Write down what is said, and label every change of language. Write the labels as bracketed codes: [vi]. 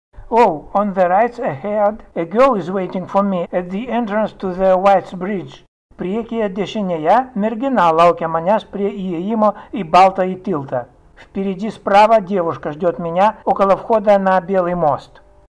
[en] Oh, on the right ahead, a girl is waiting for me at the entrance to the White's Bridge. [lt] Priekyje dešinėje mergina laukia manęs prie įėjimo į Baltąjį tiltą. [ru] Впереди справа девушка ждет меня около входа на Белый мост.